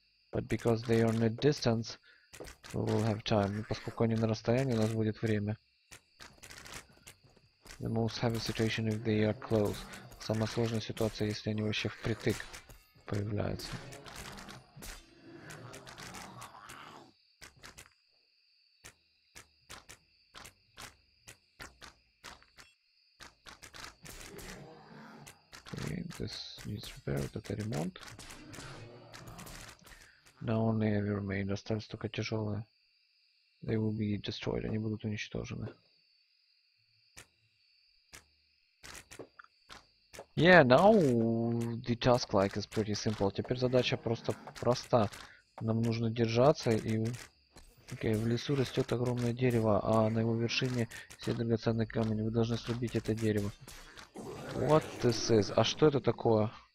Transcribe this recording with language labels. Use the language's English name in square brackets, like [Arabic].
[English] But because they are in a distance, we will have time. [Russian] Но поскольку они на расстоянии, у нас будет время. [English] The most heavy situation if they are close. [Russian] Самая сложная ситуация, если они вообще впритык появляются. [English] Okay, this needs repair, [Russian] вот это ремонт. [English] Now only heavy remain, [Russian] остались только тяжелые. [English] They will be destroyed, [Russian] они будут уничтожены. [English] Yeah, now the task like is pretty simple. [Russian] Теперь задача просто проста. Нам нужно держаться и... Окей, в лесу растет огромное дерево, а на его вершине все драгоценные камни. Вы должны срубить это дерево. [English] What this is? [Russian] А что это такое?